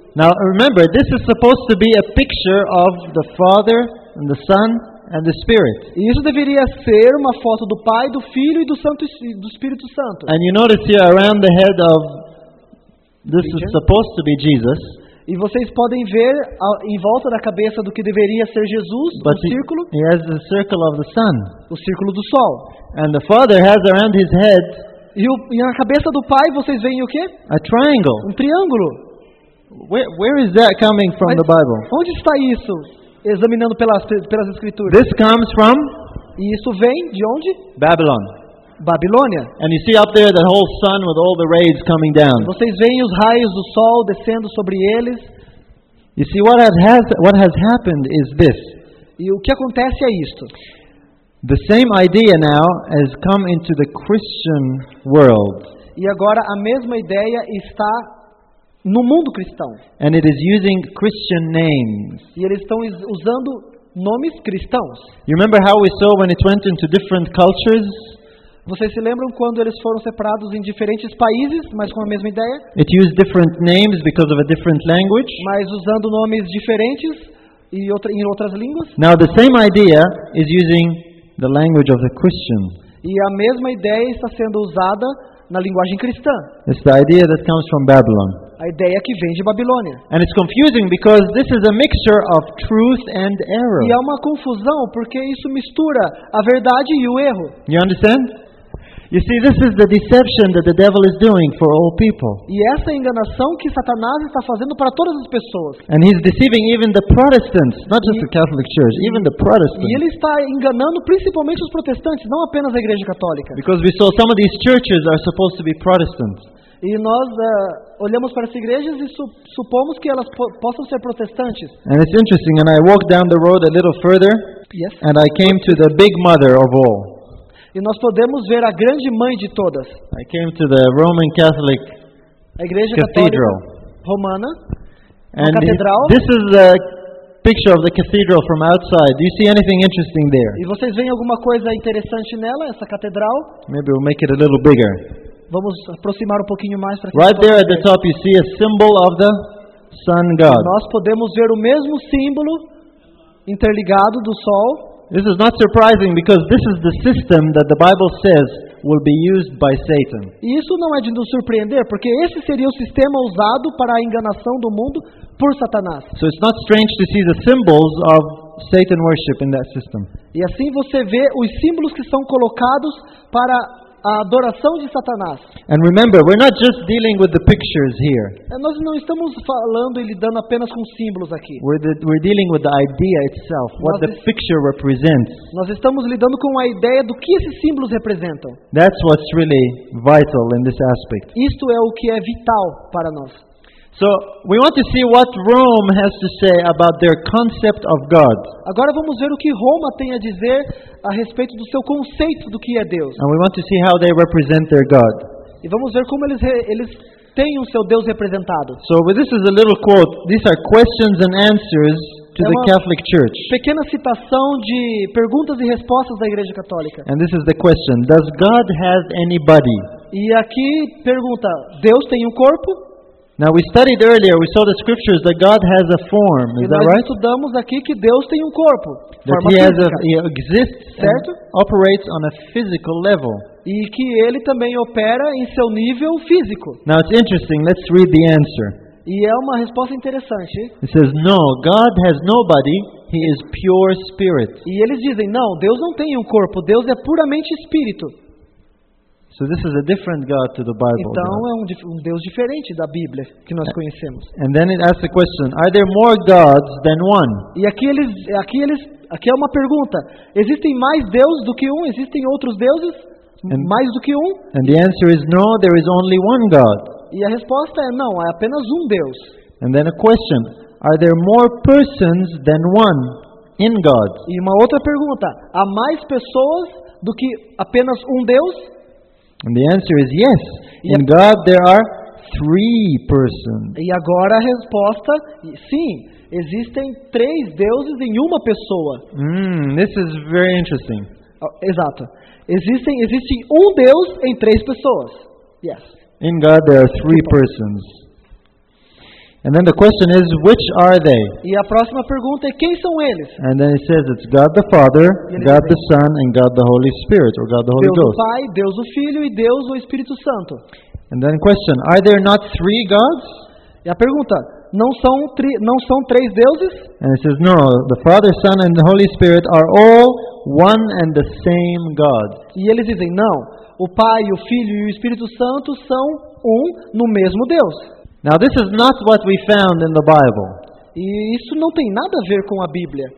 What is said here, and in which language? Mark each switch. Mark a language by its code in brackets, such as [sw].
[en] Now remember, this is supposed to be a picture of the Father and the Son and the Spirit. [pt] E isso deveria ser uma foto do Pai, do Filho e do Santo, do Espírito Santo. [en] And you notice here around the head of this is supposed to be Jesus. [pt] E vocês podem ver em volta da cabeça do que deveria ser Jesus, [en] but [pt] um círculo. [en] He has the circle of the Sun. [pt] O círculo do Sol. [en] And the Father has around his head. [pt] E na cabeça do Pai vocês veem o quê? [en] A triangle. [pt] Um triângulo. [en] Where is that coming from? [pt] Mas [en] the Bible? [pt] Onde está isso? Examinando pelas escrituras. [en] This comes from? [pt] E isso vem de onde? [en] Babylon. [pt] Babilônia. [en] And you see up there the whole sun with all the rays coming down. [pt] Vocês veem os raios do sol descendo sobre eles. [en] You see what has happened is this. [pt] E o que acontece é isto. [en] The same idea now has come into the Christian world. [pt] E agora a mesma ideia está no mundo cristão. [en] And it is using Christian names. [pt] E eles estão usando nomes cristãos. [en] You remember how we saw when it went into different cultures? [pt] Vocês se lembram quando eles foram separados em diferentes países, mas com a mesma ideia? [en] It used different names because of a different language. [pt] Mas usando nomes diferentes e em outras línguas? [en] Now the same idea is using the language of the Christian. [pt] E a mesma ideia está sendo usada na linguagem cristã. [en] It's the idea that comes from Babylon. [pt] a ideia que vem de Babilônia. [en] And it's confusing because this is a mixture of truth and error. [pt] E é uma confusão porque isso mistura a verdade e o erro. [en] You understand? You see, this is the deception that the devil is doing for all people. [pt] E essa é a enganação que Satanás está fazendo para todas as pessoas. [en] And he's deceiving even the Protestants, not just the Catholic Church, even the Protestants. [pt] E ele está enganando principalmente os protestantes, não apenas a Igreja Católica. [en] Because we saw some of these churches are supposed to be Protestant. [pt] E nós olhamos para as igrejas e supomos que elas possam ser protestantes. [en] And it's interesting, and I walked down the road a little further, yes, and I came to the big mother of all. [pt] E nós podemos ver a grande mãe de todas. [en] I came to the Roman Catholic [pt] a Igreja [en] Cathedral. [pt] Católica Romana, and uma catedral. [en] This is a picture of the cathedral from outside. Do you see anything interesting there? [pt] E vocês veem alguma coisa interessante nela, essa catedral? [en] Maybe we'll make it a little bigger. [pt] Vamos aproximar um pouquinho mais para que [en] right there at the top you see a symbol of the sun god. [pt] E nós podemos ver o mesmo símbolo interligado do sol. [en] This is not surprising because this is the system that the Bible says will be used by Satan. [pt] E isso não é de nos surpreender, porque esse seria o sistema usado para a enganação do mundo por Satanás. [en] So it's not strange to see the symbols of Satan worship in that system. [pt] E assim você vê os símbolos que são colocados para a adoração de Satanás. [en] And remember, we're not just dealing with the pictures here. [pt] Nós não estamos falando e lidando apenas com símbolos aqui. [en] We're dealing with the idea itself, what the picture represents. [pt] Nós estamos lidando com a ideia do que esses símbolos representam. [en] That's what's really vital in this aspect. [pt] Isto é o que é vital para nós. [en] So, we want to see what Rome has to say about their concept of God. [pt] Agora vamos ver o que Roma tem a dizer a respeito do seu conceito do que é Deus. [en] And we want to see how they represent their God. [pt] E vamos ver como eles têm o seu Deus representado. [en] So, this is a little quote. These are questions and answers to the Catholic Church. [pt] Pequena citação de perguntas e respostas da Igreja Católica. [en] And this is the question. Does God have anybody? [pt] E aqui pergunta, Deus tem um corpo? [en] Now we studied earlier, we saw the scriptures that God has a form, is that right? [pt] Nós estudamos aqui que Deus tem um corpo, [en] that [pt] forma física. [en] He exists, [pt] certo? [en] And operates on a physical level. [pt] E que ele também opera em seu nível físico. [en] Now it's interesting, let's read the answer. [pt] E é uma resposta interessante. [en] It says, no, God has nobody, he is pure spirit. [pt] E eles dizem, não, Deus não tem um corpo, Deus é puramente espírito. [en] So this is a different God to the Bible. [pt] Então é um Deus diferente da Bíblia que nós conhecemos. [en] And then it asks the question, are there more gods than one? [pt] E aqui é uma pergunta. Existem mais deuses do que um? Existem outros deuses mais do que um? [en] And the answer is no, there is only one God. [pt] E a resposta é não, há apenas um Deus. [en] And then a question, are there more persons than one in God? [pt] E uma outra pergunta, há mais pessoas do que apenas um Deus? [en] And the answer is yes. In God there are three persons. [pt] E agora a resposta, sim, existem três deuses em uma pessoa. [en] This is very interesting. [pt] Oh, exato. Existe um Deus em três pessoas. [en] Yes. In God there are three persons. And then the question is, which are they? [pt] E a próxima pergunta é quem são eles? [en] And then it says it's God the Father, God the Son, and God the Holy Spirit, or God the Holy Ghost. [pt] Deus o Pai, Deus o Filho e Deus o Espírito Santo. [en] And then question, are there not three gods? [pt] E a pergunta, não são três deuses? [en] And it says no, the Father, Son, and the Holy Spirit are all one and the same God. [pt] E eles dizem não, o Pai, o Filho e o Espírito Santo são um no mesmo Deus. [en] Now this is not what we found in the Bible. [pt] E isso não tem nada a ver com a Bíblia.